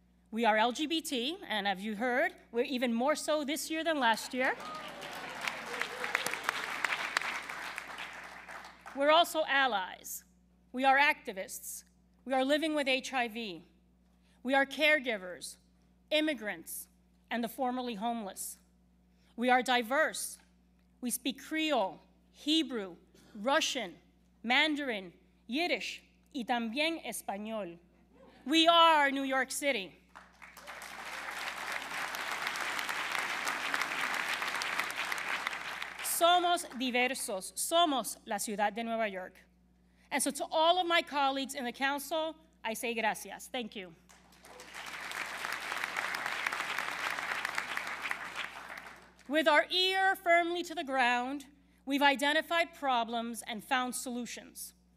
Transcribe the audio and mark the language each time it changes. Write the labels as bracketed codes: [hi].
[en] We are LGBT, and have you heard, we're even more so this year than last year. We're also allies. We are activists. We are living with HIV. We are caregivers, immigrants, and the formerly homeless. We are diverse. We speak Creole, Hebrew, Russian, Mandarin, Yiddish, [es] y también español. [en] We are New York City. [es] Somos diversos, somos la ciudad de Nueva York. [en] And so to all of my colleagues in the council, I say gracias, thank you. With our ear firmly to the ground, We've identified problems and found solutions.